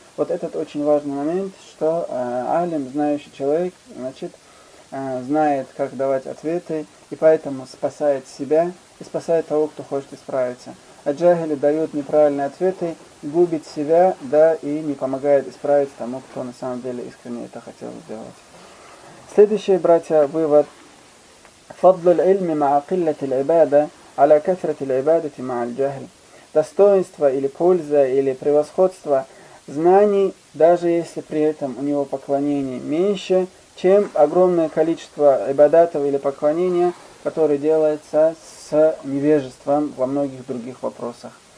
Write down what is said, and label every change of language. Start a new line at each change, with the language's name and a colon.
Russian: Вот этот очень важный момент, что алим, знающий человек, значит, знает, как давать ответы, и поэтому спасает себя и спасает того, кто хочет исправиться. А джахили дают неправильные ответы, губит себя, да, и не помогает исправить тому, кто на самом деле искренне это хотел сделать. Следующие, братья, вывод.
Arabic: فضل العلم مع قلة العبادة على كثرة العبادة مع الجهل.
Russian: Достоинство или польза или превосходство знаний, даже если при этом у него поклонение меньше, чем огромное количество ибадатов или поклонения, которое делается с невежеством во многих других вопросах.